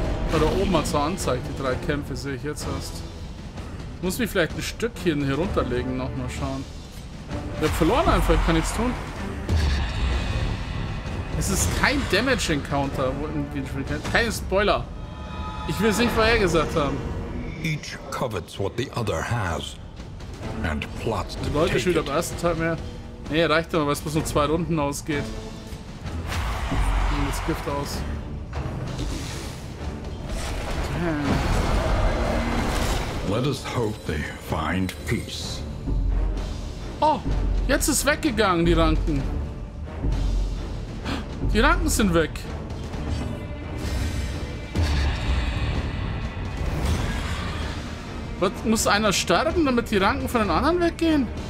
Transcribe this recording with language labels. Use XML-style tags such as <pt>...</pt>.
<de>Aber da oben hat es eine Anzeige, die drei Kämpfe sehe ich jetzt erst. Muss mich vielleicht ein Stückchen hier runterlegen, nochmal schauen. Ich habe verloren einfach, ich kann nichts tun. Es ist kein Damage-Encounter, keine Spoiler. Ich will es nicht vorher gesagt haben.</de> <en>Each covets what the other has and plots to take it.</en> <de>Am ersten Teil mehr. Nee, reicht aber, weil es bloß nur zwei Runden ausgeht. Gift aus. Damn.</de> <en>Let us hope they find peace.</en> <de>Oh, jetzt ist weggegangen die Ranken. Die Ranken sind weg. Was, muss einer sterben, damit die Ranken von den anderen weggehen?</de>